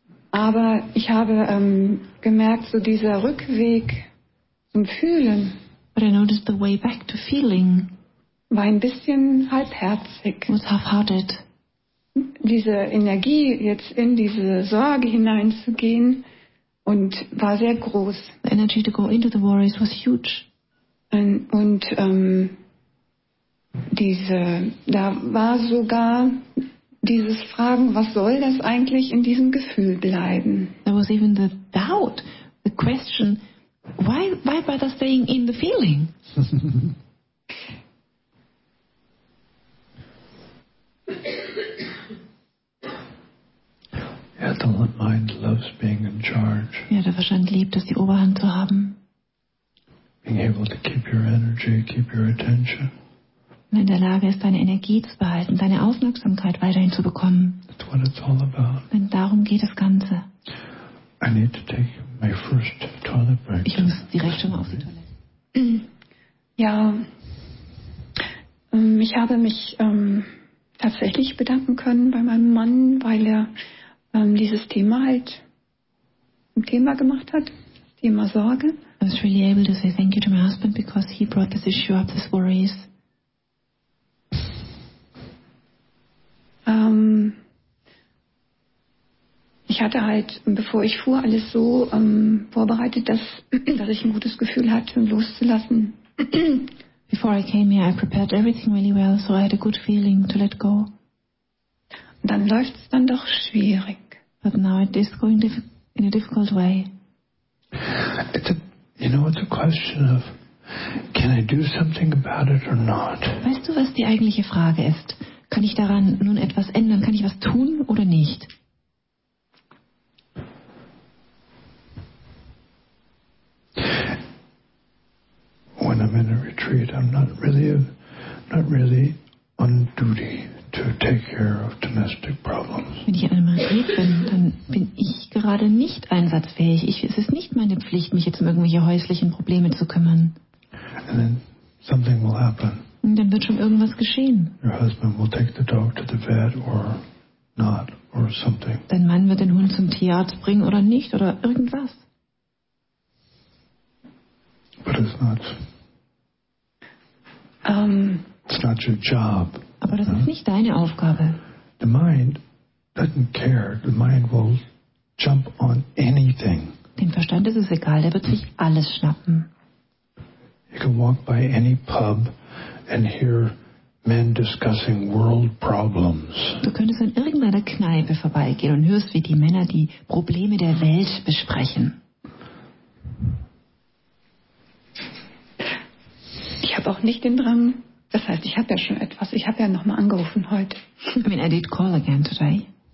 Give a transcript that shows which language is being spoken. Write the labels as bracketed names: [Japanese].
[German] Aber ich habe gemerkt, so dieser Rückweg zum Fühlen. [English] But I noticed the way back to feeling. [German] War ein bisschen halbherzig. [English] Was half-hearted. [German] Diese Energie jetzt in diese Sorge hineinzugehen und war sehr groß. [English] The energy to go into the worries was huge. [German] Und diese, da war sogar dieses Fragen, was soll das eigentlich in diesem Gefühl bleiben? [English] There was even the doubt, the question, why bother staying in the feeling? Yeah, the mind loves being in charge. [German] Ja, der Verstand liebt es, die Oberhand zu haben. [English] Being able to keep your energy, keep your attention. [German] In der Lage ist, deine Energie zu behalten, deine Aufmerksamkeit weiterhin zu bekommen. [English] That's what it's all about. [German] Denn darum geht das Ganze. [English] I need to take my first toilet break. [German] Ich muss direkt schon mal auf die Toilette. Ja, ich habe mich tatsächlich bedanken können bei meinem Mann, weil er dieses Thema halt ein Thema gemacht hat, Thema Sorge. [English] I was really able to say thank you to my husband because he brought this issue up, this worries. [German] Ich hatte halt, bevor ich fuhr, alles so vorbereitet, dass ich ein gutes Gefühl hatte, loszulassen. [English] Before I came here, I prepared everything really well, so I had a good feeling to let go. [German] Und dann läuft es dann doch schwierig. [English] But now it is going in a difficult way. It's a question of, can I do something about it or not? [German] Weißt du, was die eigentliche Frage ist? Kann ich daran nun etwas ändern? Kann ich was tun oder nicht? [English] When I'm in a retreat, I'm not really on duty to take care of domestic problems. [German] Wenn ich in einem Retreat bin, dann bin ich gerade nicht einsatzfähig. Es ist nicht meine Pflicht, mich jetzt um irgendwelche häuslichen Probleme zu kümmern. [English] And then something will happen. [German] Und dann wird schon irgendwas geschehen. [English] Your husband will take the dog to the vet or not or something. [German] Dein Mann wird den Hund zum Tierarzt bringen oder nicht oder irgendwas. [English] But it's not. It's not your job. [German] Aber das ist nicht deine Aufgabe. [English] The mind doesn't care. The mind will jump on anything. [German] Dem Verstand ist es egal. Der wird sich alles schnappen. [English] You can walk by any pub and hear men discussing world problems. [German] Du könntest an irgendeiner Kneipe vorbeigehen und hörst, wie die Männer die Probleme der Welt besprechen. Ich habe auch nicht den Drang. Das heißt, ich habe ja schon etwas. Ich habe ja nochmal angerufen heute. [English] I mean, I did call again today.